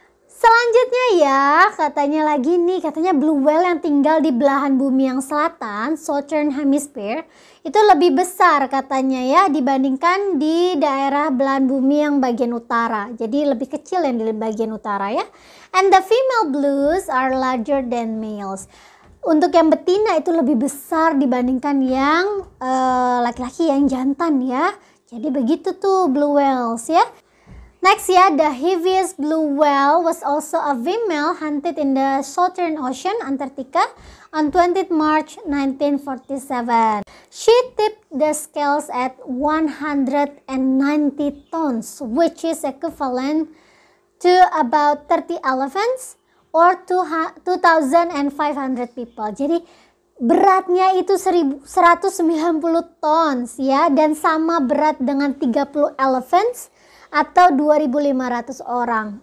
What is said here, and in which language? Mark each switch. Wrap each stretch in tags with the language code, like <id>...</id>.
<id>Selanjutnya ya, katanya lagi nih, katanya Blue Whale yang tinggal di belahan bumi yang selatan, Southern Hemisphere, itu lebih besar katanya ya, dibandingkan di daerah belahan bumi yang bagian utara. Jadi lebih kecil yang di bagian utara ya.</id> <en>And the female blues are larger than males.</en> <id>Untuk yang betina itu lebih besar dibandingkan yang laki-laki, yang jantan ya. Jadi begitu tuh Blue Whales ya.</id> <en>Next ya, the heaviest blue whale was also a female hunted in the Southern Ocean, Antarctica, on 20th March 1947. She tipped the scales at 190 tons, which is equivalent to about 30 elephants or 2,500 people.</en> <id>Jadi beratnya itu 190 tons ya, dan sama berat dengan 30 elephants atau 2.500 orang.</id>